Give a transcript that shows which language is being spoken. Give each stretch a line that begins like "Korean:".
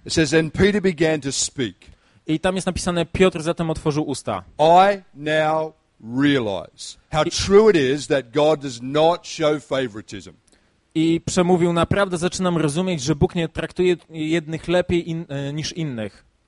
English: It says, and Peter began to speak.
Polish: I tam jest napisane: Piotr zatem otworzył usta.
English: I now realize how true it is that God does not show favoritism.
Polish: I przemówił: naprawdę zaczynam rozumieć, że Bóg nie traktuje jednych lepiej niż innych.